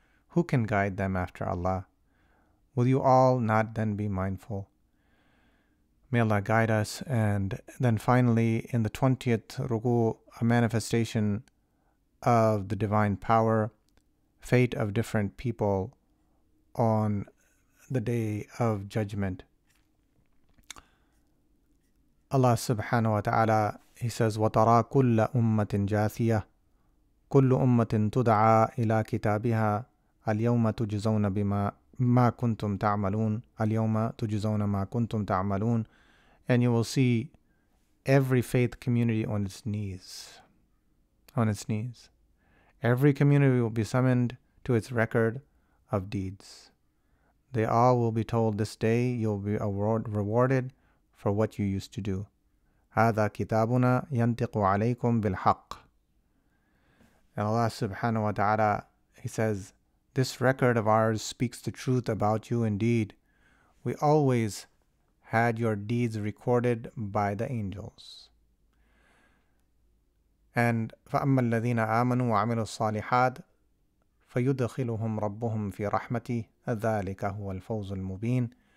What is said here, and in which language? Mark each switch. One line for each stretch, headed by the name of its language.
English: Who can guide them after Allah? Will you all not then be mindful? May Allah guide us. And then finally, in the 20th ruku, a manifestation of the divine power, fate of different people on the day of judgment. Allah subhanahu wa ta'ala, He says,
Arabic: وَتَرَى كُلَّ أُمَّةٍ جَاثِيَةٍ كُلُّ أُمَّةٍ تُدْعَى إِلَىٰ كِتَابِهَا الْيَوْمَ تُجْزَوْنَ بِمَا كُنْتُمْ تَعْمَلُونَ الْيَوْمَ تُجْزَوْنَ مَا كُنْتُمْ تَعْمَلُونَ.
English: And you will see every faith community on its knees. On its knees. Every community will be summoned to its record of deeds. They all will be told, this day you'll be rewarded for what you used to do.
Arabic: هذا كتابنا ينطق عليكم بالحق.
English: And Allah subhanahu wa ta'ala, He says, this record of ours speaks the truth about you indeed. We always had your deeds recorded by the angels.
Arabic: And فَأَمَّا الَّذِينَ آمَنُوا وَعَمِلُوا الصَّالِحَاتِ فَيُدْخِلُهُمْ رَبُّهُمْ فِي رَحْمَتِهِ ذَلِكَ هُوَ الْفَوْزُ الْمُبِينَ.